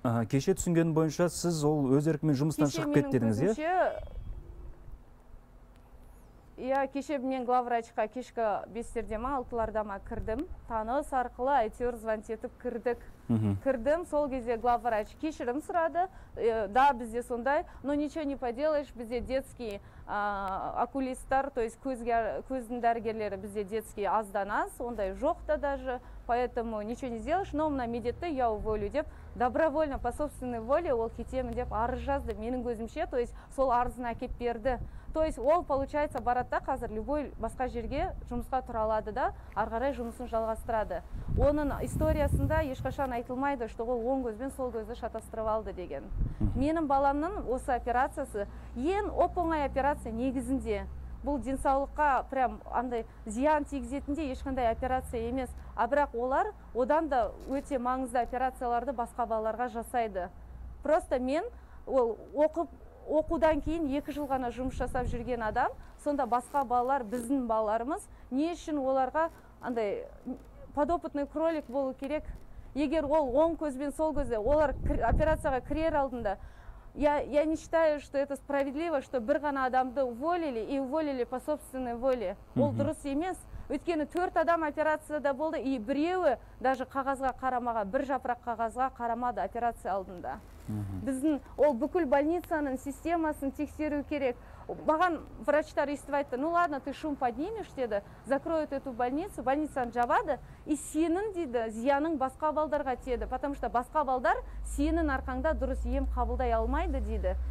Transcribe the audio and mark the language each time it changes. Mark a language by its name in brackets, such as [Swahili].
[Kazakh] Кеше түсінгенің бойынша, сіз ол өз еркімен жұмыстан шығып кетті дедіңіз, е? Иә, кеше мен главврачқа кешкі 5-тілерде ма, 6-ларда ма кірдім. Таныс арқылы әйтеуір звонит етіп кірдік. Кірдім, сол кезде главврач кешірім сұрады. Да, бізде сондай, [Russian] но ничего не поделаешь, [Kazakh] бізде детский окулистар, то есть көздің дәрігерлері бізде детский аздан аз, ондай жоқ та даже, поэтому [Russian] ничего не сделаешь, [Kazakh] но мына медетті [Russian] я уволю [Kazakh] деп, добровольно, [Russian] по собственной воле [Kazakh] ол кетемін деп арыз жазды менің көзімше, то есть сол арызын әкеп берді. То есть ол получается баратта қазір любой басқа жерге жұмысқа тұралады да, ары қарай жұмысын жалғастырады. Оның историясында ешқашан айтылмайды, что ол оң көзбен сол көзді шатастырып алды деген. Менің баламның осы операциясы ең оп-оңай операция негізінде. Бұл денсаулыққа прям андай зиян тигізетінде ешқандай операция емес. А бірақ олар одан да өте маңызды операцияларды басқа балаларға жасайды. Просто мен ол оқудан кейін 2 жыл ғана жұмыс жасап жүрген адам, сонда басқа балалар біздің балаларымыз не үшін оларға андай подопытный кролик болу керек? Егер ол оң көзбен сол көзде, олар операцияға кірер алдында, [Russian] я не считаю, что это справедливо, что [Kazakh] бір ғана адамды уволили [Russian] и уволили по собственной воле. [Kazakh] Ол дұрыс емес. Өйткені 4 адам операцияда болды и біреуі даже қағазға қарамаға, бір жапырақ қағазға қарамады операция алдында. Біздің ол бүкіл больницаның системасын тексеру керек. Баған врачтар естіп айтты, [Russian] ну ладно, ты шум поднимешь, [Kazakh] деді, [Russian] закроют эту больницу, [Kazakh] больницаны жабады, и сенің, деді, зияның басқа балдарға теді, потому что басқа балдар сенің арқаңда дұрыс ем қабылдай алмайды, деді.